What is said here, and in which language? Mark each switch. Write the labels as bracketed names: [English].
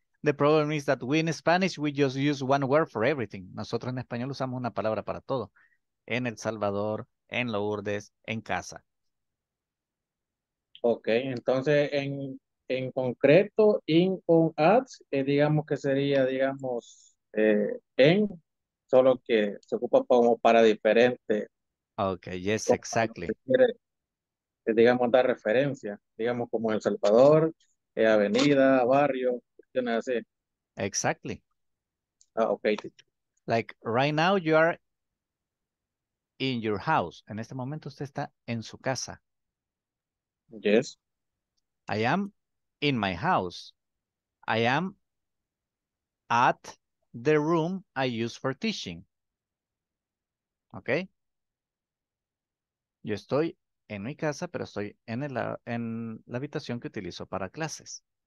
[English] The problem is that we in Spanish, we just use one word for everything. [Spanish] Nosotros en español usamos una palabra para todo. En El Salvador, en Lourdes, en casa. Ok, entonces en concreto, in on at, digamos que sería, digamos, en, solo que se ocupa como para diferente. [English] Ok, yes, exactly. [Spanish] Digamos, dar referencia, digamos, como El Salvador, avenida, barrio, cuestiones así. [English] Exactly. Ah, okay. Like, right now you are in your house. [Spanish] En este momento usted está en su casa. [English] Yes. I am in my house. I am at the room I use for teaching. Okay? [Spanish] Yo estoy en mi casa, pero estoy en la habitación que utilizo para clases.